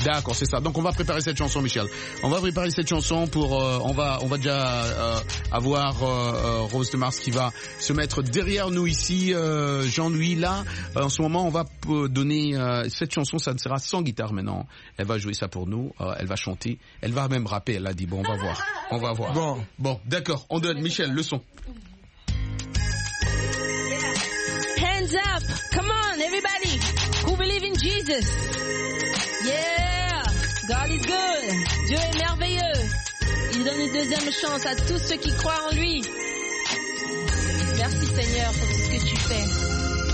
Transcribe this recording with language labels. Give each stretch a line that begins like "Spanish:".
French: D'accord, c'est ça. Donc on va préparer cette chanson, Michel. On va préparer cette chanson pour on va déjà avoir Rose de Mars qui va se mettre derrière nous ici, Jean-Louis là. En ce moment, on va donner cette chanson, ça ne sera sans guitare maintenant. Elle va jouer ça pour nous, elle va chanter, elle va même rapper, elle a dit bon, on va voir. Bon, d'accord. On donne Michel le son.
English: Hands up, come on everybody who believe in Jesus. Yeah, God is good.
French: Dieu est merveilleux. Il donne une deuxième chance à tous ceux qui croient en lui. Merci Seigneur pour tout ce que tu fais.